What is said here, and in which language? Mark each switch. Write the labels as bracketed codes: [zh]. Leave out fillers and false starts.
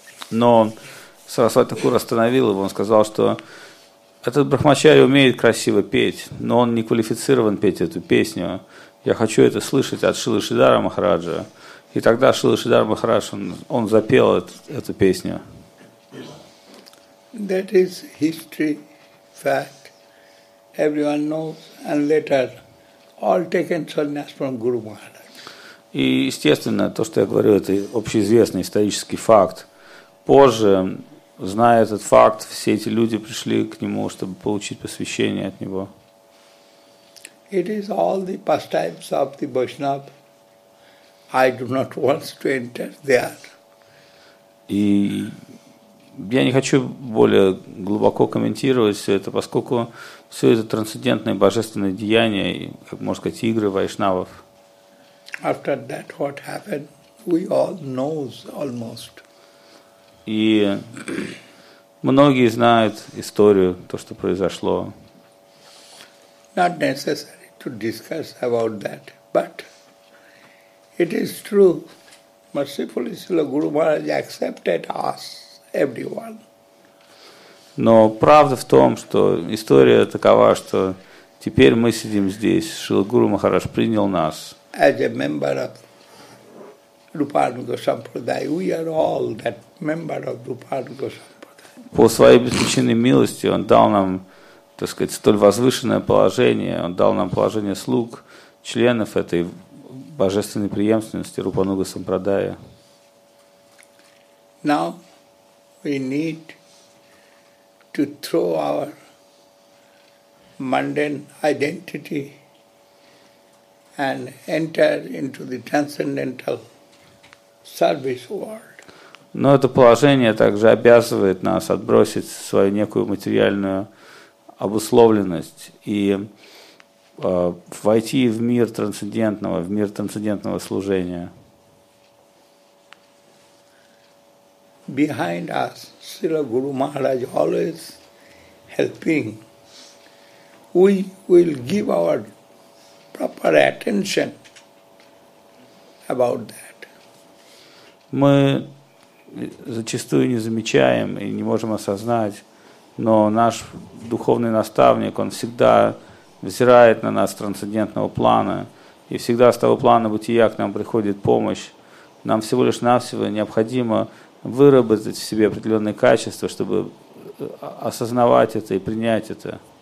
[ru] Но Сарасвати Такур остановил его, он сказал, что этот брахмачари умеет красиво петь, но он не квалифицирован петь эту песню. Я хочу это слышать от Шрилы Шридхара Махараджа. И тогда Шрила Шридхар Махарадж, он запел эту песню. [en] That is history, fact. Everyone knows, and later all taken sannyas from Guru Maharaj. [ru] И, естественно, то, что я говорю, это общеизвестный исторический факт. Позже, зная этот факт, все эти люди пришли к нему, чтобы получить посвящение от него. [en] It is all the pastimes of the Vaishnav. I do not want to enter there. [ru] И я не хочу более глубоко комментировать все это, поскольку все это трансцендентные божественные деяния, как можно сказать, игры вайшнавов. [en] After that, what happened, we all know almost. [ru] И многие знают историю, то, что произошло. [en] Not necessary to discuss about that, but it is true. Mercifully, Srila Guru Maharaj accepted us, everyone. [ru] Но правда в том, что история такова, что теперь мы сидим здесь. Шрила Гуру Махарадж принял нас. [en] As a member of Rupanuga Sampradaya, we are all that member of Rupanuga Sampradaya. [ru] По своей бесконечной милости он дал нам, так сказать, столь возвышенное положение, он дал нам положение слуг, членов этой божественной преемственности Рупануга Сампрадая. [en] Now we need to throw our mundane identity and enter into the transcendental service world. [ru] Но это положение также обязывает нас отбросить свою некую материальную обусловленность и войти в мир трансцендентного, в мир трансцендентного служения. [en] Behind us, Srila Guru Maharaj always helping. We will give our proper attention about that. [ru] Мы зачастую не замечаем и не можем осознать, но наш духовный наставник, он всегда взирает на нас с трансцендентного плана, и всегда с того плана бытия к нам приходит помощь. Нам всего лишь навсего необходимо выработать в себе определенные качества, чтобы осознавать это и принять это.